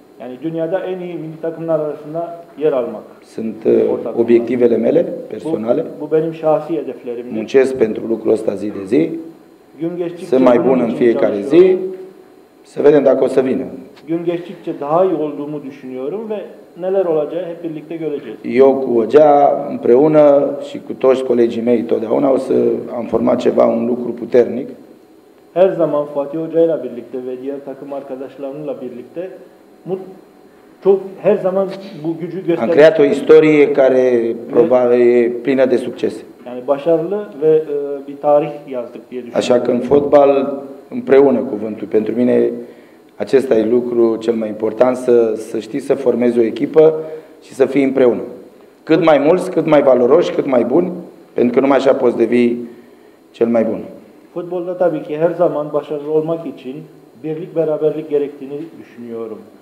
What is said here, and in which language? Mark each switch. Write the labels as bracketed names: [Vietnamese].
[Turkish] Yani dünyada en iyi milli takımlar arasında yer almak. [Romanian] Sunt obiectivele mele personale. [Turkish] Bu benim şahsi hedeflerim. [Romanian] Muncesc pentru lucrul ăsta zi de zi. Sunt mai bun în fiecare zi. Să vedem dacă o să vină. [Turkish] Gün geçtikçe daha iyi olduğumu düşünüyorum ve neler olacağı hep birlikte göreceğiz. [Romanian] Eu cu Ogea împreună și cu toți colegii mei totdeauna o să am format ceva, un lucru puternic. [Turkish] Her zaman Fatih Hoca ile birlikte ve diğer takım arkadaşlarımla birlikte çok her zaman bu gücü gösteriyor. [Romanian] Am creat o istorie care probabil e plină de succese. [Turkish] Yani başarılı ve bir tarih yazdık diye düşünüyorum. [Romanian] Așa că în fotbal împreună cuvântul. Pentru mine acesta e lucru cel mai important, să știi să formezi o echipă și să fii împreună. Cât mai mulți, cât mai valoroși, cât mai buni, pentru că numai așa poți devii cel mai bun. [Turkish] Fotbolda tabii ki her zaman başarılı olmak için birlik beraberlik gerektiğini düşünüyorum.